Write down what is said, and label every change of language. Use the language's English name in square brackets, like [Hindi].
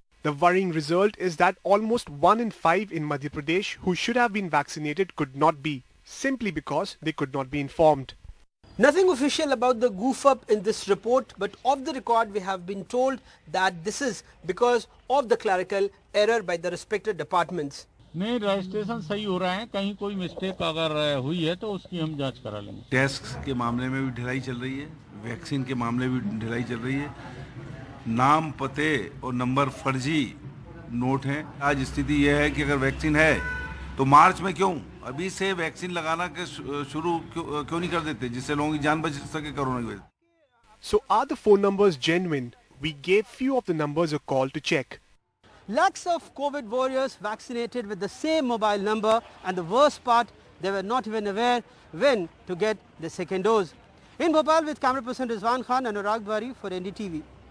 [English] The worrying result is that almost 1 in 5 in Madhya Pradesh who should have been vaccinated could not be, simply because they could not be informed. Nothing official about the goof up in this report, but off the record we have been told that this is because of the clerical error by the respected departments. [Hindi] नहीं registration सही हो रहा है कहीं कोई mistake अगर हुई है तो उसकी हम जांच करा लेंगे टेस्ट के मामले में भी ढिलाई चल रही है वैक्सीन के मामले में भी ढिलाई चल रही है नाम पते और नंबर फर्जी नोट हैं आज स्थिति यह है कि अगर वैक्सीन है तो मार्च में क्यों अभी से वैक्सीन लगाना के शुरू क्यों नहीं कर देते जिससे लोगों की जान बच सके कोरोना की वजह [English] So are the phone numbers genuine we gave few of the numbers a call to check Lakhs of COVID warriors vaccinated with the same mobile number and the worst part, they were not even aware when to get the second dose. In Bhopal with camera person Rizwan Khan and Anurag Bari for NDTV.